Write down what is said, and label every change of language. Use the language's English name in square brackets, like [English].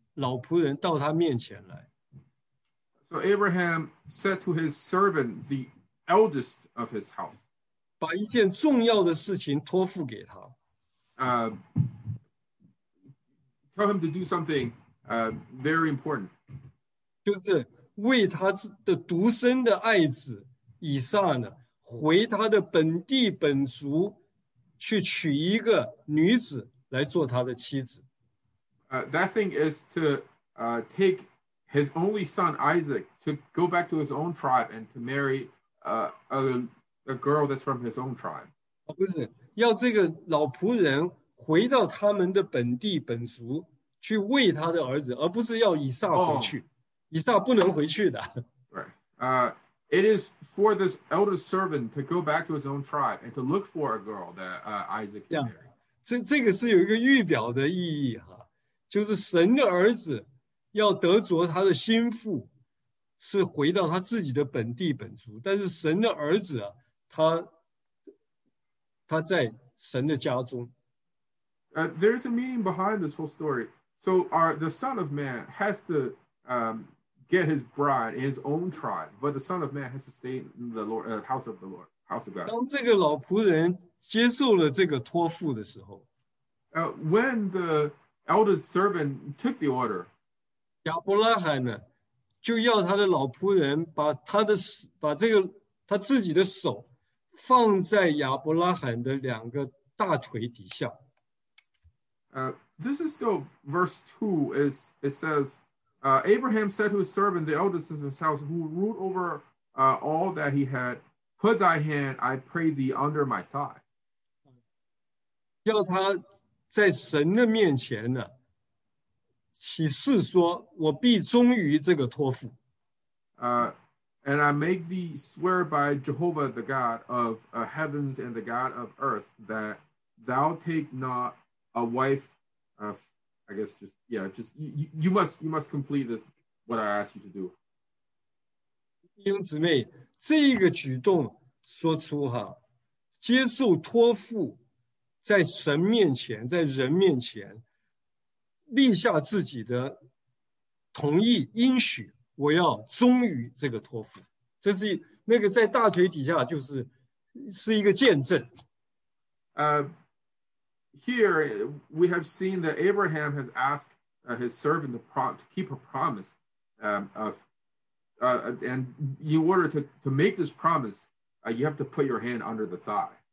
[Chinese] 老仆人到他面前来。 [English] So Abraham said to his servant, the eldest of his house, [Chinese] 把一件重要的事情托付给他。 [English] Tell him to do something very important. [Chinese] 就是为他的独生的爱子以撒呢，回他的本地本族去娶一个女子来做他的妻子。 [English] That thing is to take his only son Isaac to go back to his own tribe and to marry a girl that's from his own tribe. [Chinese] 不是，要这个老仆人回到他们的本地本族去为他的儿子，而不是要以撒回去。以撒不能回去的。 [English] Right. It is for this elder servant to go back to his own tribe and to look for a girl that Isaac can marry. [Chinese] 这个是有一个预表的意义哈。就是神的儿子要得着他的心腹，是回到他自己的本地本族。但是神的儿子啊，他在神的家中。 [English] There's a meaning behind this whole story. So the Son of Man has to get his bride in his own tribe, but the Son of Man has to stay in the Lord, house of the Lord, house of God. [Chinese] 当这个老仆人接受了这个托付的时候 [English] ，When the elder servant took the order. [Chinese] 亚伯拉罕呢，就要他的老仆人把这个他自己的手放在亚伯拉罕的两个大腿底下。 [English] This is still verse 2. It says, Abraham said to his servant, the eldest of his house, who ruled over all that he had, put thy hand, I pray thee, under my thigh. [Chinese] 要他在神的面前呢，起誓说：“我必忠于这个托付。” [English] And I make thee swear by Jehovah, the God of heavens and the God of earth, that thou take not a wife I guess just, yeah, just you must complete this, what I asked you to do. [Chinese] 弟兄姊妹，这一个举动所出哈，接受托付，在神面前，在人面前立下自己的同意应许，我要忠于这个托付，这是那个在大腿底下就是一个见证。 [English] Here we have seen that Abraham has asked his servant to keep a promise and in order to make this promise, you have to put your hand under the thigh.